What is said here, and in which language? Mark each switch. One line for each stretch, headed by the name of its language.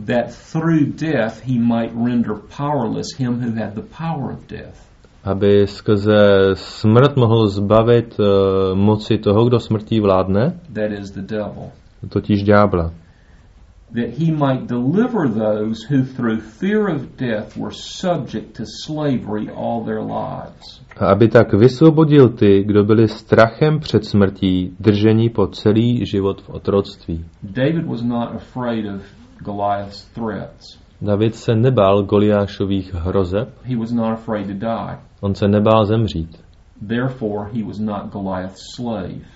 English: That through death he might render powerless him who had the power of death.
Czech: Aby skrze smrt mohl zbavit moci toho, kdo smrtí vládne,
English: that is the devil.
Czech: Totiž ďábla.
English: That he might deliver those who through fear of death were subject to slavery all their lives.
Czech: A aby tak vysvobodil ty, kdo byli strachem před smrtí drženi po celý život v otroctví.
English: David was not afraid of Goliath's threats.
Czech: David se nebál Goliášových hrozeb.
English: He was not afraid to die.
Czech: On se nebál zemřít.
English: Therefore he was not Goliath's slave.